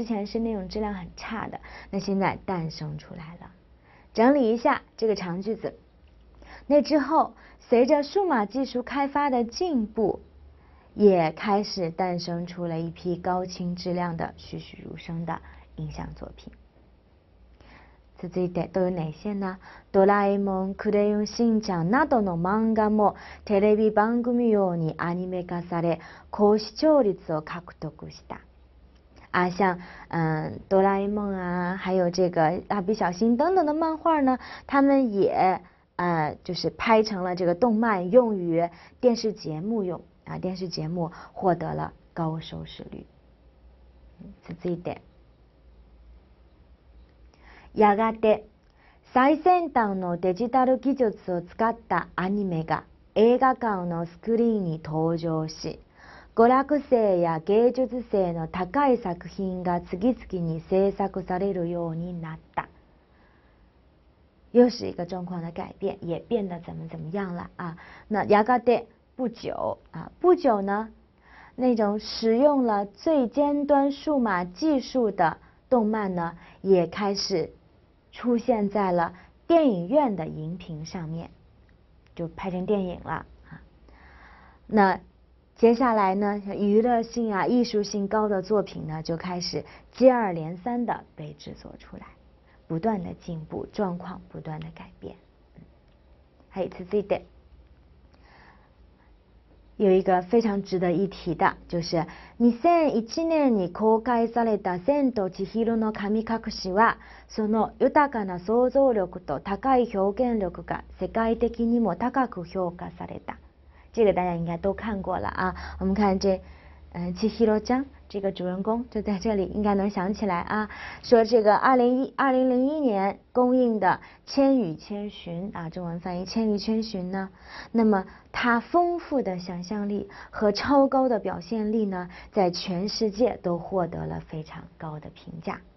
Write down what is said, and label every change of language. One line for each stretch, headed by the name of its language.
Chinese: 之前是那种质量很差的，那现在诞生出来了。整理一下这个长句子，那之后随着数码技术开发的进步，也开始诞生出了一批高清质量的栩栩如生的影像作品。
Japanese: 続いてどういうのせな、ドラえもん、クレヨンしんちゃんなどの漫画もテレビ番組用にアニメ化され、高視聴率を獲得した。
Chinese: 啊，像哆啦 A 梦啊，还有这个蜡笔小新等等的漫画呢，他们也就是拍成了这个动漫，用于电视节目用啊，电视节目获得了高收视率。
Japanese: 続いて。やがて最先端のデジタル技術を使ったアニメが映画館のスクリーンに登場し、娯楽性や芸術性の高い作品が次々に制作されるようになった。
Chinese: 又是一个状况的改变，也变得怎么怎么样了啊？那
Japanese: やがて
Chinese: 不久啊，不久呢？那种使用了最尖端数码技术的动漫呢，也开始出现在了电影院的荧屏上面，就拍成电影了。那接下来呢，娱乐性啊、艺术性高的作品呢，就开始接二连三的被制作出来。不断的进步，状况不断的改变。还有続いて，有一个非常值得一提的，就是
Japanese: 2001年に公開された千と千尋の神隠しは、その豊かな想像力と高い表現力が世界的にも高く評価された。
Chinese: 这个大家应该都看过了啊。我们看这，千尋ちゃん这个主人公就在这里，应该能想起来啊。说这个2001年公映的《千与千寻》啊，中文翻译《千与千寻》呢，那么他丰富的想象力和超高的表现力呢，在全世界都获得了非常高的评价。